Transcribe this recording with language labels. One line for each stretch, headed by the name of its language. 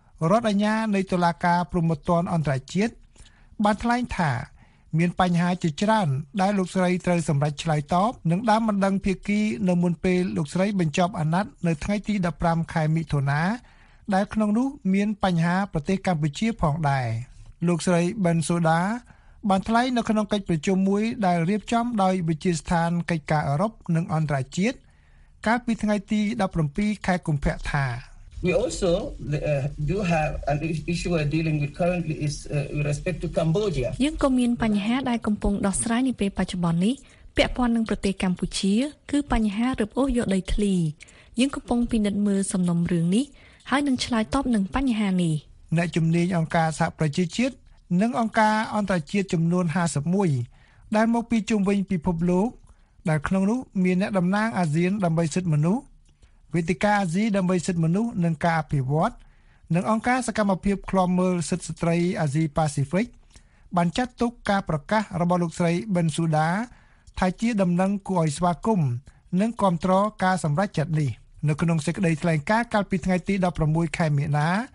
Khmer: រដ្ឋអាជ្ញានៃតុលាការព្រហ្មទណ្ឌអន្តរជាតិបានថ្លែងថាមានបញ្ហាជាច្រើនដែលលោកស្រីត្រូវសម្រេចឆ្លើយតបនឹងដើមបណ្ដឹងភាគីនៅមុនពេលលោកស្រីបញ្ចប់អាណត្តិនៅថ្ងៃទី15ខែមិថុនា ដែលក្នុងនោះមានបញ្ហាប្រទេសកម្ពុជាផងដែរលោកស្រីប៊ិនសូដាបានថ្លែងនៅក្នុងកិច្ចប្រជុំមួយដែលរៀបចំដោយវិទ្យាស្ថានកិច្ចការអឺរ៉ុបនិងអន្តរជាតិកាលពីថ្ងៃទី17ខែកុម្ភៈថា
English: We also do have an issue we're dealing with currently is with respect to Cambodia.
Khmer: យើងក៏មានបញ្ហាដែលកំពុងដោះស្រាយនាពេលបច្ចុប្បន្ននេះពាក់ព័ន្ធនឹងប្រទេសកម្ពុជាគឺបញ្ហារឹបអូសយកដីធ្លីយើងកំពុងពិនិត្យមើលសំណុំរឿងនេះហើយនឹងឆ្លើយតបនឹងបញ្ហានេះ អ្នកជំនាញអង្គការសហប្រជាជាតិនិងអង្គការអន្តរជាតិចំនួន51ដែលមកពីជុំវិញពិភពលោកដែលក្នុងនោះមានអ្នកតំណាងអាស៊ានដើម្បីសិទ្ធិមនុស្សវេទិកាអាស៊ីដើម្បីសិទ្ធិមនុស្សនិងការអភិវឌ្ឍនិងអង្គការសកម្មភាពឃ្លាំមើលសិទ្ធិស្ត្រីអាស៊ីប៉ាស៊ីហ្វិកបានចាត់ទុកការប្រកាសរបស់លោកស្រីប៊ិនស៊ូដាថាជាដំណឹងគួរឲ្យស្វាគមន៍និងគាំទ្រការសម្រេចចិត្តនេះនៅក្នុងសេចក្តីថ្លែងការណ៍កាលពីថ្ងៃទី16ខែមីនា